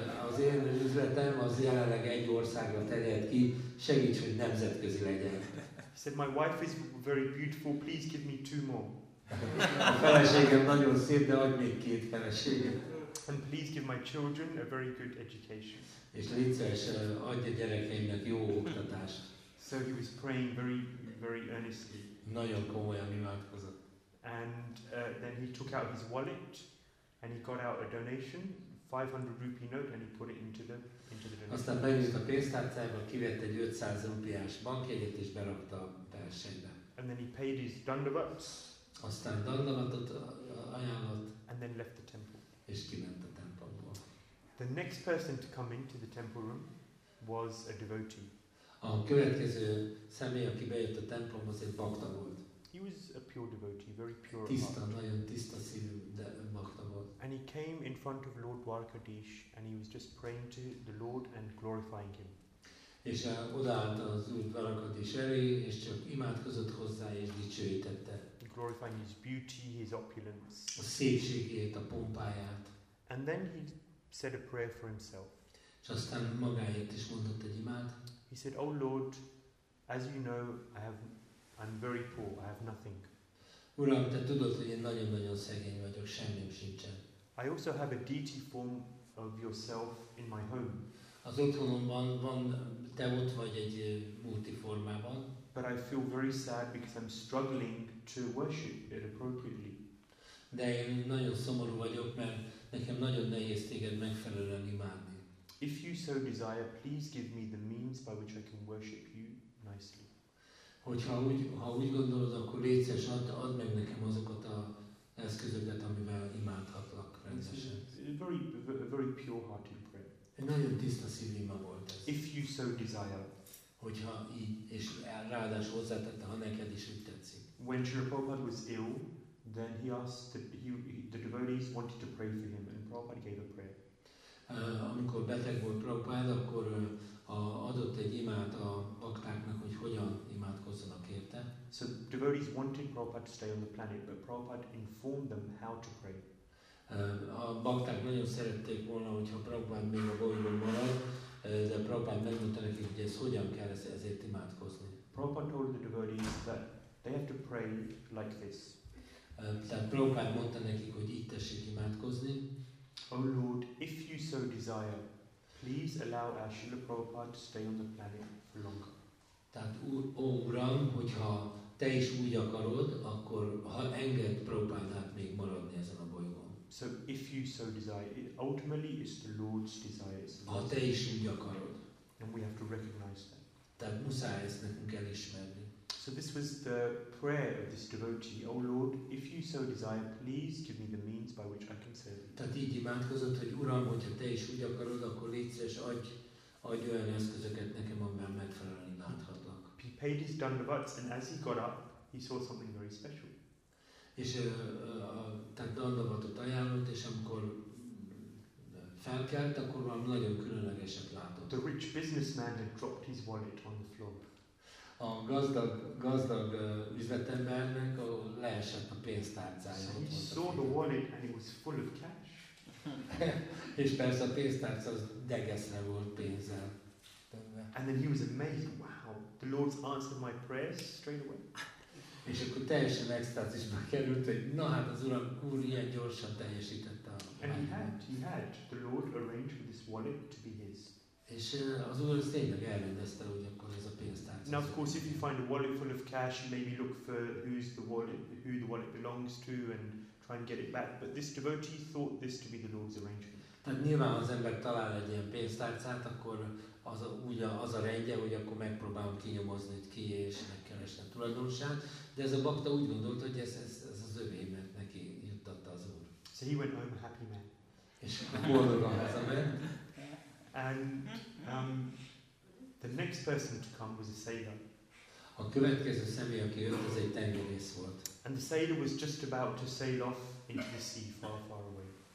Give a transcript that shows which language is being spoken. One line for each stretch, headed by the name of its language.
Hungarian: Az én üzletem az jelenleg egy országra terjed ki. Segíts, hogy nemzetközi legyen.
English: He said, "My wife is very beautiful. Please give me two more."
Hungarian: A feleségem nagyon szép, de adj még két feleséget.
English: And please give my children a very good education.
Hungarian: És légy szíves, adj a gyerekeimnek jó oktatást.
English: So he was praying very, very earnestly.
Hungarian: Nagyon komolyan imádkozott.
English: And then he took out his wallet and he got out a donation, 500 rupee note, and he put it into the donation.
Hungarian: Aztán benyújt a pénztárcájába, kivett egy 500 rupiás bankjegyet és berakta a belsejbe.
English: And then he paid his dandavats.
Hungarian: Aztán dandavatot ajánlott.
English: And then left the temple.
Hungarian: És kiment a templomból.
English: The next person to come into the temple room was a devotee.
Hungarian: A következő személy, aki bejött a templomhoz, egy bakta volt.
English: He was a pure devotee, very pure.
Hungarian: Tiszta, nagyon tiszta szívű, de bakta volt.
English: And he came in front of Lord Dwarkadish, and he was just praying to the Lord and glorifying him.
Hungarian: És odaállt az Úr Dwarkadish elé, és csak imádkozott hozzá, és dicsőítette.
English: Glorifying his beauty, his opulence.
Hungarian: A szépségét, a pompáját.
English: And then he said a prayer for himself.
Hungarian: És aztán magáért is mondott egy imád.
English: He said, "Oh Lord, as you know, I'm very poor. I have nothing."
Hungarian: Uram, te tudod, hogy én nagyon-nagyon szegény vagyok, semmim sincsen.
English: I also have a deity form of yourself in my home.
Hungarian: Az otthonomban van, te ott vagy egy múlti formában.
English: But I feel very sad because I'm struggling to worship it appropriately.
Hungarian: De én nagyon szomorú vagyok, mert nekem nagyon nehéz téged megfelelően imádni.
English: If you so desire, please give me the means by which I can worship you nicely.
Hungarian: Ha úgy gondolod, akkor légy szíves, add meg nekem azokat az eszközöket, amivel imádhatlak rendesen.
English: A very pure-hearted prayer.
Hungarian: Egy nagyon tiszta szívű ima volt ez.
English: If you so desire.
Hungarian: Hogyha így, és ráadásul hozzátette, ha neked is úgy tetszik.
English: When Srila Prabhupada was ill, then he asked the devotees wanted to pray for him, and Prabhupada gave a prayer.
Hungarian: Amikor beteg volt Prabhupada, akkor adott egy imát a baktáknak, hogy hogyan imádkozzanak érte.
English: So devotees wanted Prabhupada to stay on the planet, but Prabhupada informed them how to pray.
Hungarian: A bakták nagyon szerették volna, hogyha Prabhupada még a bolygón marad, de Prabhupada megmondta nekik, hogy ez hogyan kell ezért imádkozni.
English: Prabhupada told the devotees that they have to pray like this.
Hungarian: Tehát Prabhupada mondta nekik, hogy így tessék imádkozni.
English: Oh Lord, if you so desire, please allow our Srila Prabhupada to stay on the planet for longer.
Hungarian: Tehát Uram, hogyha te is úgy akarod, akkor ha enged Prabhupádát még maradni ezen a bolygón.
English: So if you so desire, ultimately it's the Lord's desire.
Hungarian: Ha te is úgy akarod.
English: And we have to recognize that.
Hungarian: Tehát muszáj ezt nekünk elismerni.
English: So this was the prayer of this devotee. Oh Lord, if you so desire, please give me the means by which I can serve you.
Hungarian: Tehát így imádkozott, hogy Uram, hogyha te is úgy akarod, akkor légy szíves, adj olyan eszközöket nekem, amivel megfelelően imádhatlak.
English: He paid his dandavats, and as he got up, he saw something very special.
Hungarian: És tehát dandavatot ajánlott, és amikor felkelt, akkor már nagyon különlegeset látott.
English: The rich businessman had dropped his wallet on the floor.
Hungarian: A gazdag üzletembernek leesett a pénztárcája.
English: He saw the wallet and it was full of cash.
Hungarian: És persze a pénztárca az degeszre volt pénzzel.
English: And then he was amazed. Wow, the Lord's answered my prayers straight away.
Hungarian: És akkor teljesen extázisba került, hogy na hát az Uram úr ilyen gyorsan teljesítette
English: And he had the Lord arranged for this wallet to be his.
Hungarian: És az Úr tényleg elrendezte, hogy akkor ez a pénztárca.
English: Now of course, if you find a wallet full of cash, you maybe look for who the wallet belongs to and try and get it back. But this devotee thought this to be the Lord's arrangement.
Hungarian: Tehát nyilván az ember talál egy ilyen pénztárcát, akkor az a rendje, hogy akkor megpróbálom kinyomozni, hogy ki és megkeresni a tulajdonosát. De ez a bakta úgy gondolt, hogy ez az övé, mert neki juttatta az Úr.
English: So he went home a happy man.
Hungarian: És boldogan hazament.
English: And the next person to come was a sailor.
Hungarian: A következő személy, aki jött, az egy tengerész volt.
English: And the sailor was just about to sail off into the sea far, far away.